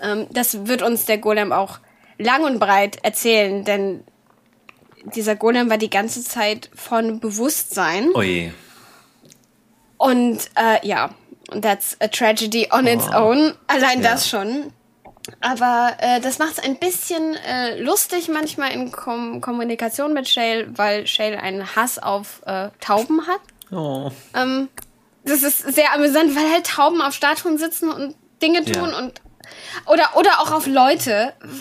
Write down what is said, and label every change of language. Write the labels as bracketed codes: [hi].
[de] Das wird uns der Golem auch lang und breit erzählen, denn dieser Golem war die ganze Zeit von Bewusstsein. Oje. [en] Und that's a tragedy on its own. [de] Allein das schon. Aber das macht es ein bisschen lustig manchmal in Kommunikation mit Shale, weil Shale einen Hass auf Tauben hat. Oh. Das ist sehr amüsant, weil halt Tauben auf Statuen sitzen und Dinge tun und oder auch auf Leute.